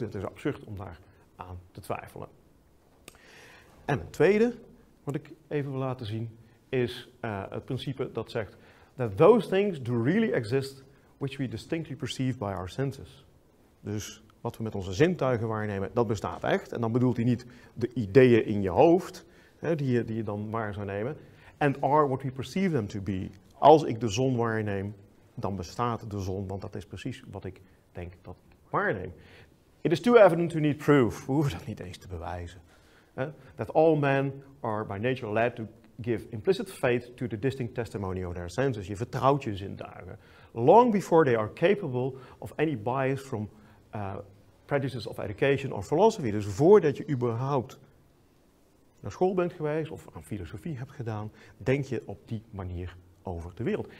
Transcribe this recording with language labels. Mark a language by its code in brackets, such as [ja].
[nl] Het is absurd om daar aan te twijfelen. En een tweede, wat ik even wil laten zien, is het principe dat zegt [en] that those things do really exist which we distinctly perceive by our senses. [nl] Dus wat we met onze zintuigen waarnemen, dat bestaat echt. En dan bedoelt hij niet de ideeën in je hoofd, hè, die je dan waar zou nemen. [en] And are what we perceive them to be. [nl] Als ik de zon waarneem, dan bestaat de zon, want dat is precies wat ik denk dat ik waarneem. [en] It is too evident to need proof. [nl] We hoeven dat niet eens te bewijzen. [en] That all men are by nature led to give implicit faith to the distinct testimony of their senses. [nl] Je vertrouwt je zintuigen. [en] Long before they are capable of any bias from prejudices of education or philosophy. [nl] Dus voordat je überhaupt naar school bent geweest of aan filosofie hebt gedaan, denk je op die manier over de wereld.